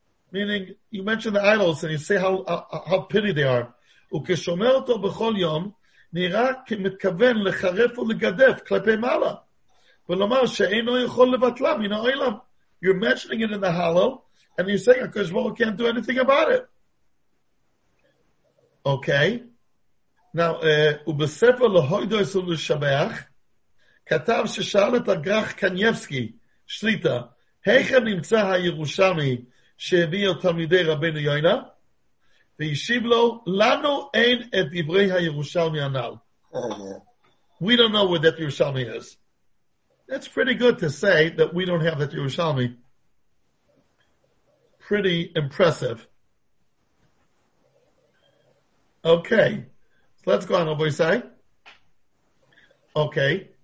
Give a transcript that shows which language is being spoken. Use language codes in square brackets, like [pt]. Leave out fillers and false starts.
[en] Meaning, you mention the idols and you say how pity they are. [he] וכשומר אותו בכל יום, נראה כמתכוון לחרף ולגדף כלפי מעלה. ולומר שאינו יכול לבטלה מן העולם. [en] You're mentioning it in the hollow, and you're saying, HaKadosh Baruch Hu can't do anything about it. Okay. [he] Now, ובספר להוידוי סול לשבח, כתב ששאל את הגרח קניבסקי, שליטה, היכה נמצא הירושלמי שהביא אותם לידי רבינו יוינה? וישיב לו, לנו אין את דברי הירושלמי הנ"ל. [en] We don't know where that Yerushalmi is. That's pretty good to say that we don't have that Yerushalmi. Pretty impressive. Okay. So let's go on, Rabbi Yisai. Okay.